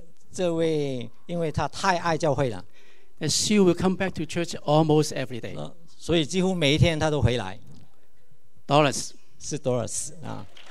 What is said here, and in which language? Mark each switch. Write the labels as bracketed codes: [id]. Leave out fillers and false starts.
[zh] 这位，因为她太爱教会了。 [en] And she will come back to church almost every day. [zh] 所以几乎每一天她都回来。 [en] Doris [zh] 是 Doris 啊。